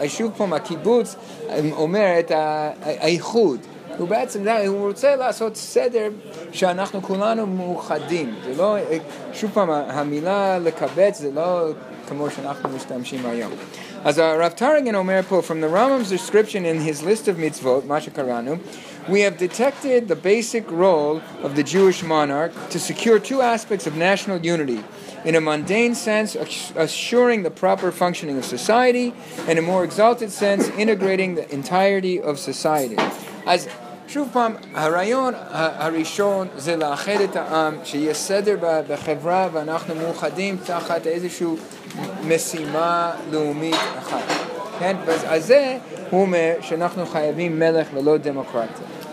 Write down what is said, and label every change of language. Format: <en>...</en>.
<he>שוב פעם, הקיבוץ אומר את האיחוד. הוא בעצם, הוא רוצה לעשות סדר שאנחנו כולנו מאוחדים. זה לא, שוב פעם, המילה לקבץ זה לא כמו שאנחנו משתמשים היום. אז הרב טרגן אומר פה,</he> <en>from the Rambam's description in his list of mitzvot,</en> <he>מה שקראנו,</he> <en>we have detected the basic role of the Jewish monarch to secure two aspects of national unity. In a mundane sense, assuring the proper functioning of society, and in a more exalted sense, integrating the entirety of society. אז</en> <he>שוב פעם, הרעיון הראשון זה לאחד את העם, שיהיה סדר בחברה ואנחנו מאוחדים תחת איזושהי משימה לאומית אחת. כן? אז זה הוא אומר שאנחנו חייבים מלך ולא דמוקרטיה.</he>